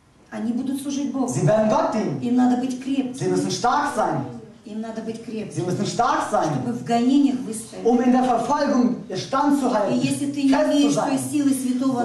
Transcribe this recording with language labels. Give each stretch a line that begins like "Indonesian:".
Russian: Они будут служить Богу. Им надо быть крепкими. Чтобы в гонениях выстоять.
German: Um in der Verfolgung stand zu halten.
Russian: И если ты не имеешь той силы Святого